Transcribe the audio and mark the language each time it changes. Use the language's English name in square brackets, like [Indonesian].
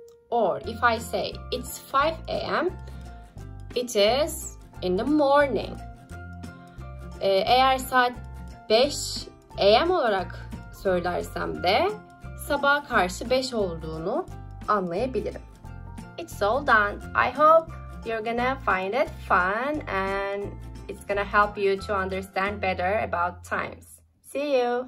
[English] Or if I say it's 5 AM, it is in the morning. [Turkish] Eğer saat 5 AM olarak söylersem de sabaha karşı 5 olduğunu anlayabilirim. [English] It's all done. I hope you're gonna find it fun and it's gonna help you to understand better about times. See you!